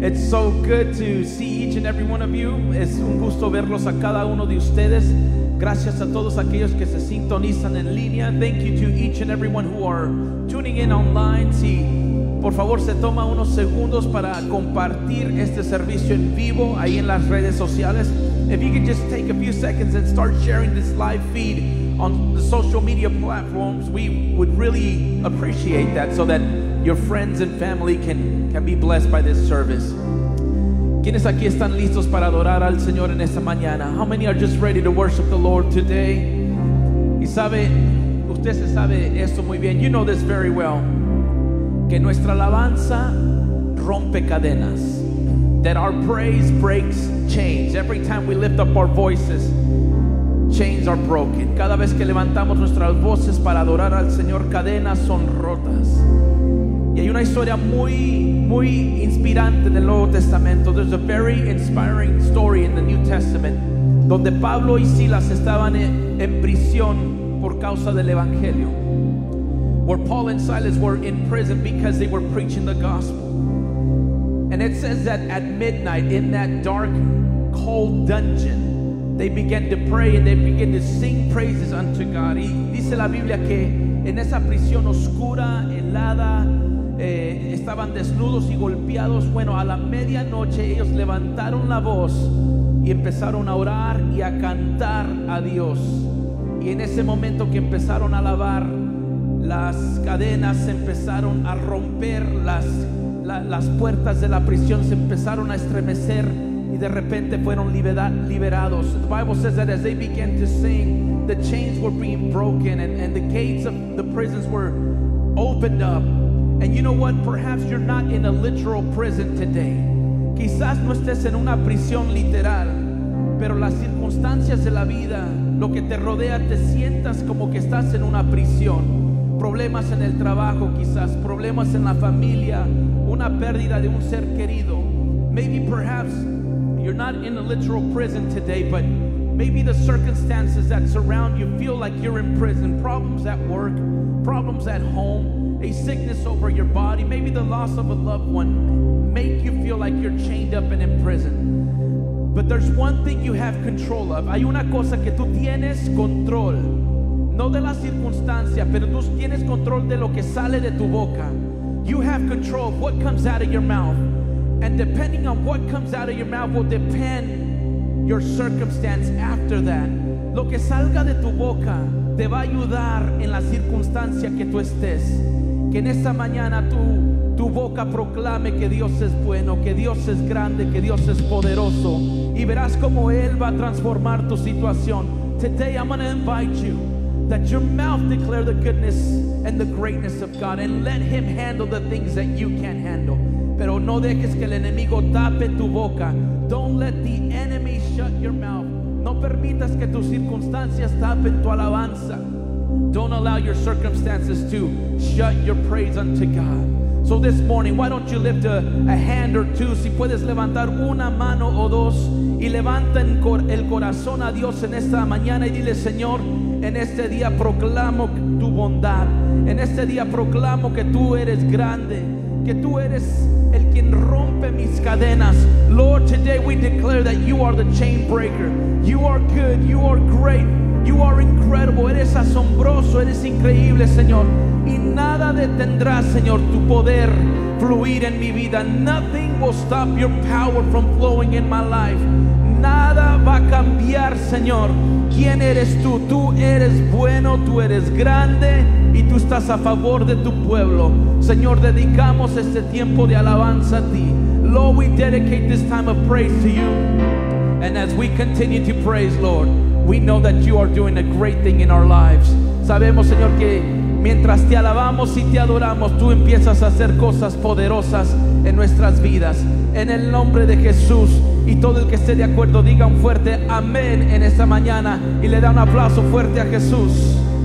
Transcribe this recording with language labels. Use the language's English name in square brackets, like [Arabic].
[English] It's so good to see each and every one of you. [Spanish] Es un gusto verlos a cada uno de ustedes. Gracias a todos aquellos que se sintonizan en línea. [English] Thank you to each and everyone who are tuning in online. [Spanish] Si, por favor, se toma unos segundos para compartir este servicio en vivo ahí en las redes sociales. [English] If you could just take a few seconds and start sharing this live feed on the social media platforms, we would really appreciate that so that your friends and family can be blessed by this service. [Spanish] ¿Quiénes aquí están listos para adorar al Señor en esta mañana? [English] How many are just ready to worship the Lord today? [Spanish] Y sabe, usted se sabe esto muy bien. [English] You know this very well. [Spanish] Que nuestra alabanza rompe cadenas. [English] That our praise breaks chains. Every time we lift up our voices, chains are broken. [Spanish] Cada vez que levantamos nuestras voces para adorar al Señor, cadenas son rotas. Y hay una historia muy, muy inspirante en el Nuevo Testamento. [English] There's a very inspiring story in the New Testament [Spanish] donde Pablo y Silas estaban en prisión por causa del Evangelio. [English] Where Paul and Silas were in prison because they were preaching the gospel. And it says that at midnight, in that dark, cold dungeon, they began to pray and they began to sing praises unto God. [Spanish] Y dice la Biblia que en esa prisión oscura, helada, estaban desnudos y golpeados. Bueno, a la medianoche ellos levantaron la voz y empezaron a orar y a cantar a Dios. Y en ese momento que empezaron a alabar, las cadenas empezaron a romper, las puertas de la prisión se empezaron a estremecer y de repente fueron liberados. [English] The Bible says that as they began to sing, the chains were being broken and the gates of the prisons were opened up. And you know what? Perhaps you're not in a literal prison today. [Spanish] Quizás no estés en una prisión literal, pero las circunstancias de la vida, lo que te rodea, te sientas como que estás en una prisión. Problemas en el trabajo, quizás problemas en la familia, una pérdida de un ser querido. [English] Maybe perhaps you're not in a literal prison today, but maybe the circumstances that surround you feel like you're in prison. Problems at work, problems at home, a sickness over your body, maybe the loss of a loved one make you feel like you're chained up and in prison. But there's one thing you have control of. [Spanish] Hay una cosa que tú tienes control. No de la circunstancia, pero tú tienes control de lo que sale de tu boca. [English] You have control of what comes out of your mouth. And depending on what comes out of your mouth will depend your circumstance after that. [Spanish] Lo que salga de tu boca te va a ayudar en la circunstancia que tú estés. Que en esta mañana tu boca proclame que Dios es bueno, que Dios es grande, que Dios es poderoso. Y verás como Él va a transformar tu situación. [English] Today I'm going to invite you. That your mouth declare the goodness and the greatness of God, and let Him handle the things that you can't handle. [Spanish] Pero no dejes que el enemigo tape tu boca. [English] Don't let the enemy shut your mouth. [Spanish] No permitas que tus circunstancias tapen tu alabanza. [English] Don't allow your circumstances to shut your praise unto God. So this morning, why don't you lift a hand or two? [Spanish] Si puedes levantar una mano o dos y levanta el corazón a Dios en esta mañana y dile, Señor, en este día proclamo tu bondad. En este día proclamo que tú eres grande, que tú eres el quien rompe mis cadenas. [English] Lord, today we declare that you are the chain breaker. You are good, you are great, you are incredible. [Spanish] Eres asombroso, eres increíble, Señor. Y nada detendrá, Señor, tu poder fluir en mi vida. [English] Nothing will stop your power from flowing in my life. [Spanish] Nada va a cambiar, Señor. ¿Quién eres tú? Tú eres bueno, tú eres grande y tú estás a favor de tu pueblo. Señor, dedicamos este tiempo de alabanza a ti. [English] Lord, we dedicate this time of praise to you. And as we continue to praise, Lord, we know that you are doing a great thing in our lives. [Spanish] Sabemos, Señor, que mientras te alabamos y te adoramos, tú empiezas a hacer cosas poderosas en nuestras vidas. En el nombre de Jesús, y todo el que esté de acuerdo, diga un fuerte amén en esta mañana y le da un aplauso fuerte a Jesús.